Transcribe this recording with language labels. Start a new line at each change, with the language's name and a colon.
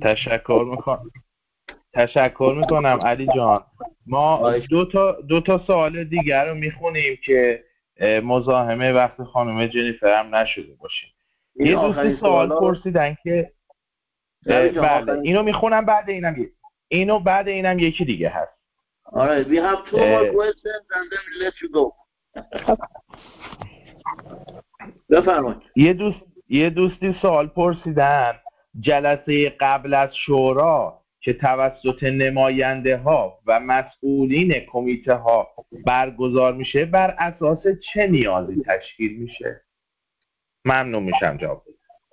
Persian: تشکر میکنم. تشکر میکنم علی جان. ما دو تا سوال دیگر رو میخونیم که مزاحمه وقت خانم جنیفر هم نشده باشیم. یه دوستی سوال پرسیدن که بله اینو میخونم بعد اینم اینو بعد اینم یکی دیگه هست. آره
English: we have two more questions and then we'll let you go.
Persian: بفرمایید. یه دوستی سوال پرسیدن جلسه قبل از شورا که توسط نماینده ها و مسئولین کمیته ها برگزار میشه بر اساس چه نیازی تشکیل میشه؟ ممنون میشم جواب بدید.